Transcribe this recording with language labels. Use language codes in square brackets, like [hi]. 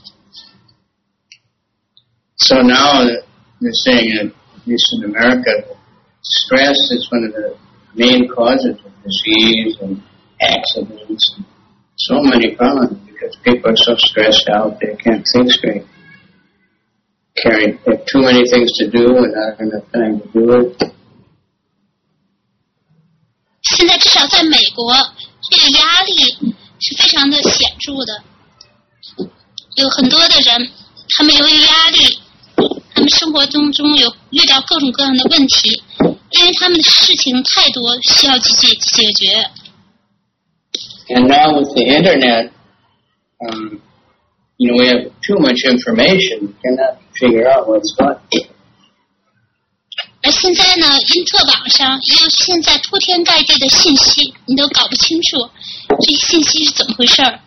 [zh] 如果你开动这辆轿车，走不了多远，它就会停下来，因为它已经带不动了。 [en] So now they're saying that, at least in America, stress is one of the main causes of disease and accidents and so many problems because people are so stressed out they can't think straight. caring, have too many things to do and not enough time to do it. [zh] 现在至少在美国，这个压力是非常的显著的。有很多的人，他们由于压力，他们生活中有遇到各种各样的问题，因为他们的事情太多，需要去解决。 [en] And now with the internet, you know, we have too much information. We cannot figure out what's what. [zh] 而现在呢，因特网上也有现在铺天盖地的信息，你都搞不清楚这些信息是怎么回事。